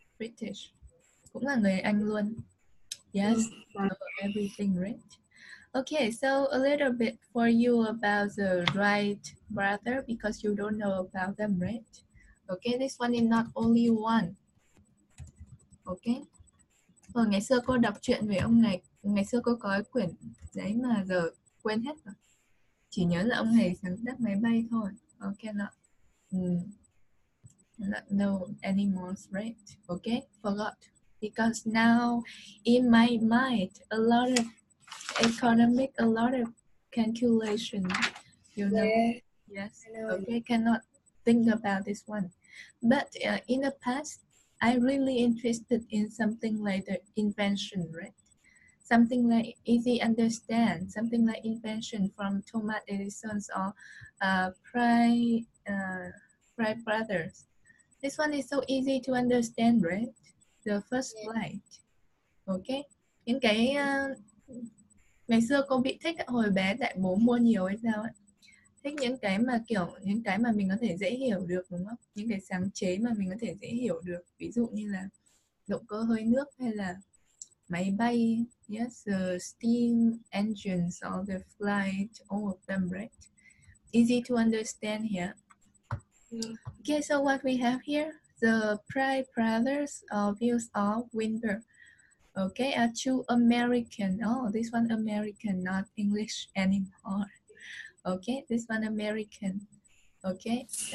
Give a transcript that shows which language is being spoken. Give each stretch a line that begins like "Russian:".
Vietnamese: British, cũng là người Anh luôn.
English: Yes, know everything, right? Okay, so a little bit for you about the Wright brother because you don't know about them, right? Okay, this one is not only one. Okay.
Vietnamese: Ừ, ngày xưa cô đọc truyện về ông này, ngày xưa cô có quyển giấy mà giờ quên hết rồi. Chỉ nhớ là ông này sáng tác máy bay thôi.
English: Okay, not, not know anymore, right? Okay, forgot. Because now in my mind, a lot of economic, a lot of calculation, you know? Yeah. Yes, okay, cannot think about this one. But in the past, I really interested in something like the invention, right? Something like easy understand, something like invention from Thomas Edison's or Wright brothers. This one is so easy to understand, right? The first flight. Okay.
Vietnamese: Những cái ngày xưa cô bị thích hồi bé tại bố mua nhiều hay sao ấy. Thích những cái mà kiểu những cái mà mình có thể dễ hiểu được đúng không? Những cái sáng chế mà mình có thể dễ hiểu được, ví dụ như là động cơ hơi nước hay là máy bay, yes,
English: the steam engines or the flight, all of them, right? Easy to understand here. Yeah. Okay, so what we have here, the Wright brothers views of Winberg. Okay, are two American. Oh, this one American, not English anymore. Okay, this one American. Okay.